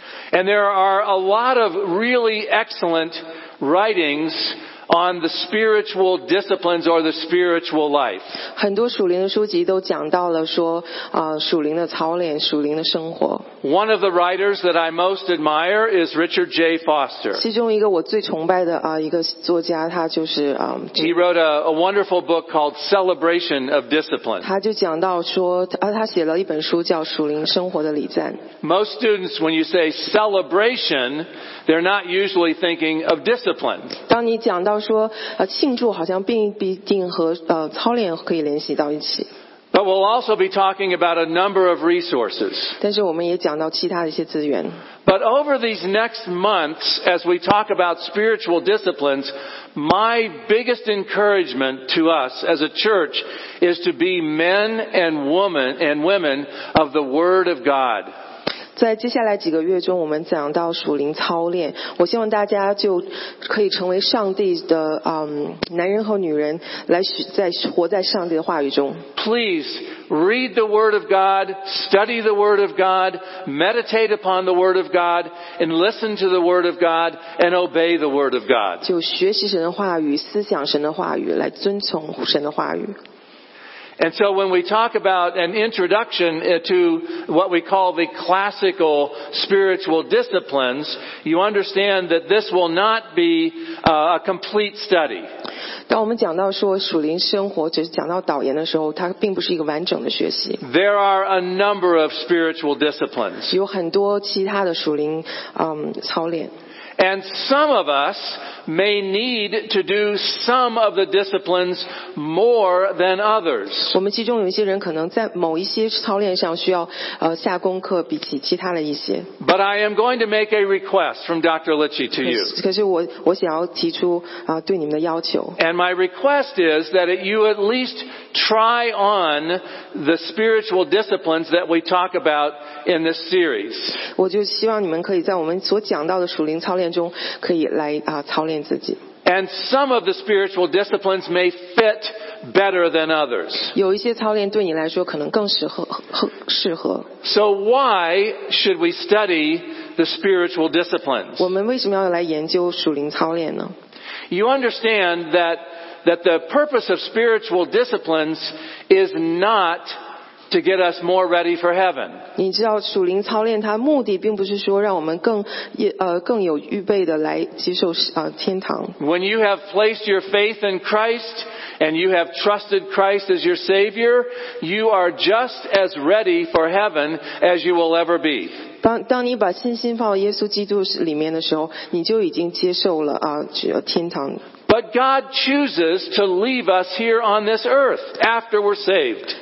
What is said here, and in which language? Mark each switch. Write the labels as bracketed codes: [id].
[en] And there are a lot of really excellent writings. On the spiritual disciplines or the spiritual life. [zh] 很多属灵的书籍都讲到了说，属灵的操练，属灵的生活。 [en] One of the writers that I most admire is Richard J. Foster. [zh] 其中一个我最崇拜的一个作家，他就是 [en] He wrote a wonderful book called Celebration of Discipline. [zh] 他就讲到说，他写了一本书叫《属灵生活的礼赞》。 [en] Most students, when you say celebration, they're not usually thinking of discipline. [zh] 当你讲到说庆祝，好像并不一定和操练可以联系到一起。 [en] But we'll also be talking about a number of resources. [zh] 但是我们也讲到其他的一些资源。 [en] But over these next months, as we talk about spiritual disciplines, my biggest encouragement to us as a church is to be men and women of the Word of God. [zh] 在接下来几个月中，我们讲到属灵操练。我希望大家就可以成为上帝的男人和女人，来在活在上帝的话语中。 [en] Please read the Word of God, study the Word of God, meditate upon the Word of God, and listen to the Word of God, and obey the Word of God. [zh] 就学习神的话语，思想神的话语，来遵从神的话语。 [en] And so when we talk about an introduction to what we call the classical spiritual disciplines, you understand that this will not be a complete study. [zh] 当我们讲到说属灵生活，就是讲到导言的时候，它并不是一个完整的学习。 [en] There are a number of spiritual disciplines. [zh] 有很多其他的属灵操练。 [en] And some of us may need to do some of the disciplines more than others. [zh] 我们其中有一些人可能在某一些操练上需要下功课比起其他的一些。 [en] But I am going to make a request from Dr. Litchi to you. [zh] 可是我想要提出对你们的要求。 [en] And my request is that you at least try on the spiritual disciplines that we talk about in this series. [zh] 我就希望你们可以在我们所讲到的属灵操练中可以来操练自己。 [en] And some of the spiritual disciplines may fit better than others. [zh] 有一些操练对你来说可能更适合。 [en] So why should we study the spiritual disciplines? [zh] 我们为什么要来研究属灵操练呢？ [en] You understand that the purpose of spiritual disciplines is not to get us more ready for heaven. [zh] 你知道属灵操练它目的并不是说让我们更有预备的来接受天堂。 [en] When you have placed your faith in Christ and you have trusted Christ as your Savior, you are just as ready for heaven as you will ever be. [zh] 当你把信心放到耶稣基督里面的时候，你就已经接受了天堂。 [en] But God chooses to leave us here on this earth after we're saved.